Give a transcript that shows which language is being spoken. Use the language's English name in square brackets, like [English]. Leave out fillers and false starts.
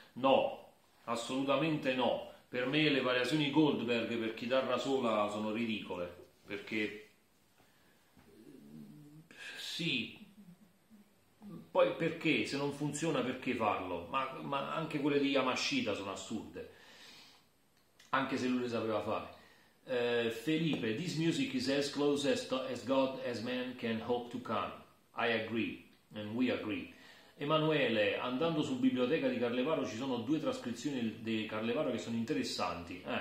[Italian] No, assolutamente no. Per me le variazioni Goldberg per chitarra sola sono ridicole, perché sì, poi perché se non funziona perché farlo? Ma anche quelle di Yamashita sono assurde, anche se lui le sapeva fare. [English] Felipe, this music is as close as God as man can hope to come. I agree, and we agree. [Italian] Emanuele, andando su Biblioteca di Carlevaro ci sono due trascrizioni di Carlevaro che sono interessanti.